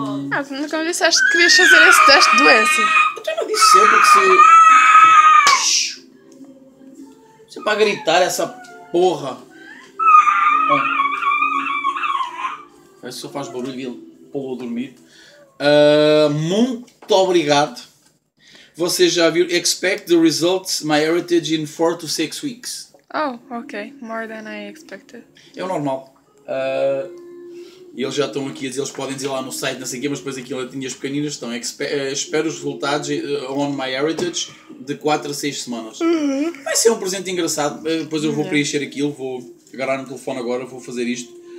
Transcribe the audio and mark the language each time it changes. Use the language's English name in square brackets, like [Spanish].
[Portuguese] Ah, tu nunca me disseste que querias fazer esse teste de doença. Eu já não disse sempre que se... Isso é para gritar essa porra. Parece que só faz barulho e ele pô-lo a dormir. Muito obrigado. Vocês já viram? [English] Expect the results, my heritage in 4 to 6 weeks. Oh, ok. More than I expected. [Portuguese] É o normal. Eles já estão aqui, eles podem dizer lá no site, não sei o quê, mas depois aqui em latinhas pequeninas estão. Espero os resultados on my heritage de 4 a 6 semanas. Uhum. Vai ser um presente engraçado. Depois eu vou preencher aquilo, vou agarrar no telefone agora, vou fazer isto.